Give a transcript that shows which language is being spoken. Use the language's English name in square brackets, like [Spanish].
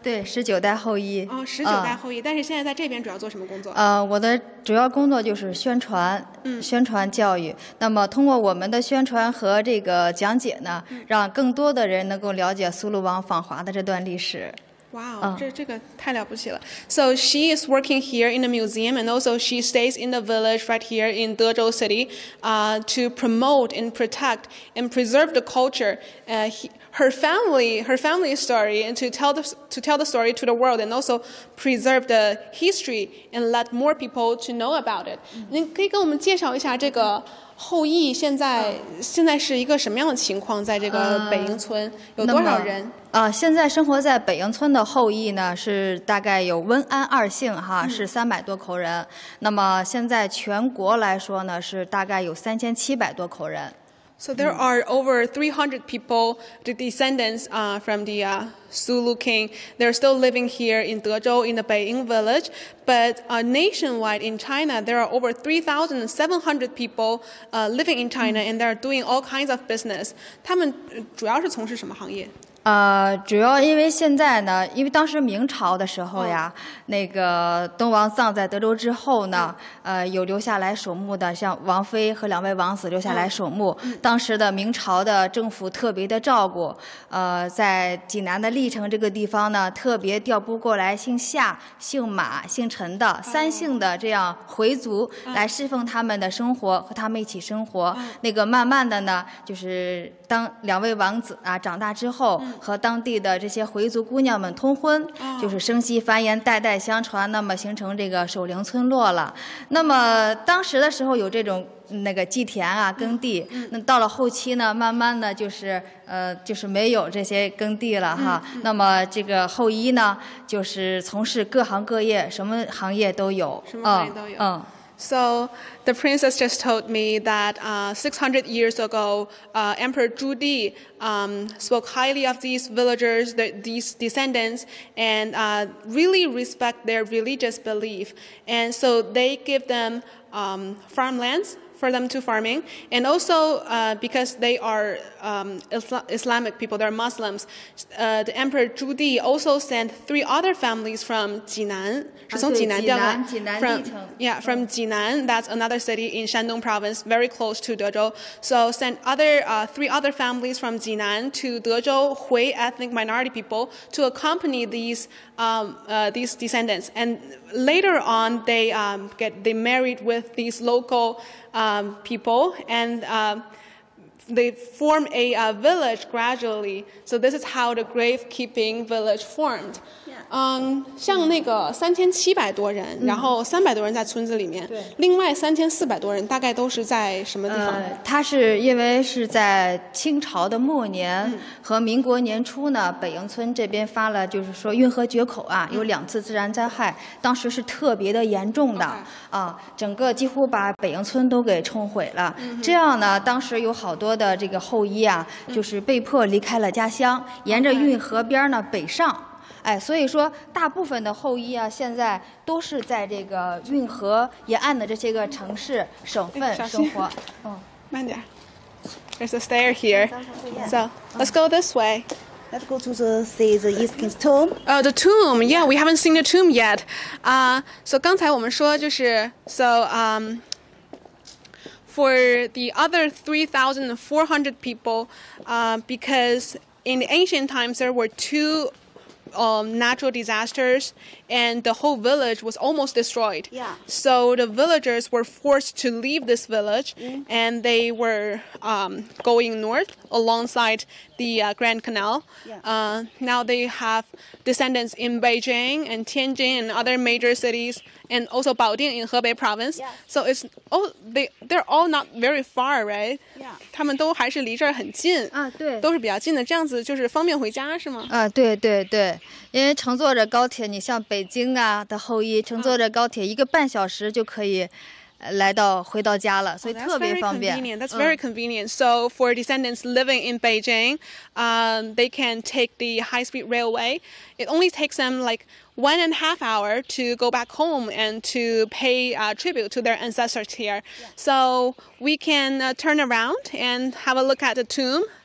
[Chinese] 对，十九代后裔。哦，十九代后裔，但是现在在这边主要做什么工作？我的主要工作就是宣传，宣传教育。那么通过我们的宣传和这个讲解呢，让更多的人能够了解苏禄王访华的这段历史。 [English] Wow, this [Chinese] 太了不起了。 [English] So she is working here in the museum, and also she stays in the village right here in Dezhou City, to promote and protect and preserve the culture her family story and to tell the story to the world and also preserve the history and let more people to know about it. [Chinese] 您可以跟我们介绍一下这个后裔现在是一个什么样的情况？在这个北营村有多少人？现在生活在北营村的后裔呢，是大概有温安二姓哈，是300多口人。那么现在全国来说呢，是大概有3700多口人。 [English] So there are over 300 people, the descendants from the Sulu King. They're still living here in Dezhou in the Beijing village. But nationwide in China, there are over 3,700 people living in China, and they're doing all kinds of business. [Chinese] 他们主要是从事什么行业？主要因为现在呢，因为当时明朝的时候呀，那个东王葬在德州之后呢，有留下来守墓的，像王妃和两位王子留下来守墓。当时的明朝的政府特别的照顾，在济南的历城这个地方呢，特别调拨过来姓夏、姓马、姓陈的三姓的这样回族来侍奉他们的生活，和他们一起生活。那个慢慢的呢，就是当两位王子啊长大之后。和当地的这些回族姑娘们通婚，就是生息繁衍，代代相传，那么形成这个守陵村落了。那么当时的时候有这种那个祭田啊耕地，那到了后期呢，慢慢的就是没有这些耕地了哈。那么这个后裔呢，就是从事各行各业，什么行业都有， [English] So the princess just told me that 600 years ago, Emperor Zhu Di spoke highly of these villagers, these descendants, and really respect their religious belief. And so they give them farmlands for them to farming. And also because they are Islamic people, they're Muslims, the Emperor Zhu Di also sent three other families from Jinan. From Jinan, that's another city in Shandong province, very close to Dezhou. So sent three other families from Jinan to Dezhou, Hui ethnic minority people, to accompany these descendants. And later on, they married with these local people, and they form a village gradually. So this is how the gravekeeping village formed. [Chinese] 像那个三千七百多人，然后300多人在村子里面，另外3400多人大概都是在什么地方？他是因为是在清朝的末年和民国年初呢，北营村这边发了，就是说运河决口啊，有2次自然灾害，当时是特别的严重的啊，整个几乎把北营村都给冲毁了。这样呢，当时有好多的这个后裔啊，就是被迫离开了家乡，沿着运河边呢北上。所以说大部分的后裔啊，现在都是在这个运河沿岸的这些个城市、省份生活。慢点。 [English] There's a stair here. So let's go this way. Let's go to see the East King's tomb. Oh, the tomb. Yeah, we haven't seen the tomb yet. So [Chinese] 刚才我们说就是 [English] for the other 3,400 people, because in ancient times there were two. Natural disasters, and the whole village was almost destroyed. Yeah. So the villagers were forced to leave this village, and they were going north alongside the Grand Canal. Yeah. Now they have descendants in Beijing and Tianjin and other major cities, and also Baoding in Hebei province. Yeah. So it's they're all not very far, right? Yeah. [Chinese] 他们都还是离这儿很近。啊，对。都是比较近的，这样子就是方便回家，是吗？啊，对对对。因为乘坐着高铁，你像北京啊的后裔，乘坐着高铁一个半小时就可以来到回到家了，所以特别方便。 [English] That's very convenient. So for descendants living in Beijing, they can take the high-speed railway. It only takes them like 1.5 hours to go back home and to pay tribute to their ancestors here. So we can turn around and have a look at the tomb.